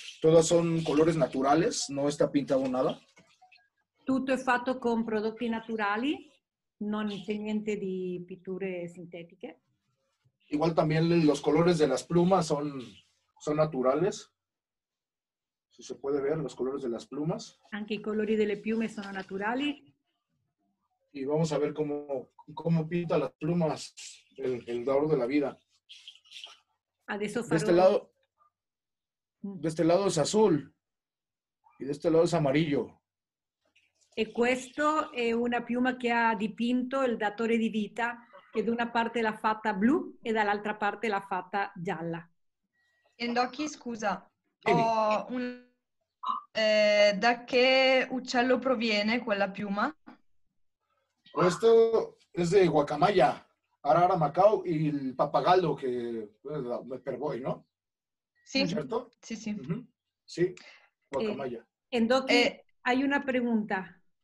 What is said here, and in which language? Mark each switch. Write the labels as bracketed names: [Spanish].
[Spanish] Todas son colores naturales, no está pintado nada. Todo es fatto con productos naturales, no hay niente de pinturas sintéticas. Igual también los colores de las plumas son naturales. Si se puede ver los colores de las plumas. [Italian] Anche i colori delle piume son naturales. [Spanish] Y vamos a ver cómo pinta las plumas el dador de la vida. [Italian] Adesso farò... [Spanish] De este lado es azul. Y de este lado es amarillo. [Italian] E questo è una piuma che ha dipinto il datore di vita, che da una parte l'ha fatta blu e dall'altra parte l'ha fatta gialla. Endoki, scusa. Ho un... da che uccello proviene quella piuma? [Spanish] Esto es de guacamaya, Arara Macao y el papagallo que pues, me perboy, ¿no? Sí. ¿Es cierto? Sí, sí. Uh-huh. Sí, guacamaya. Endoki, hay una pregunta.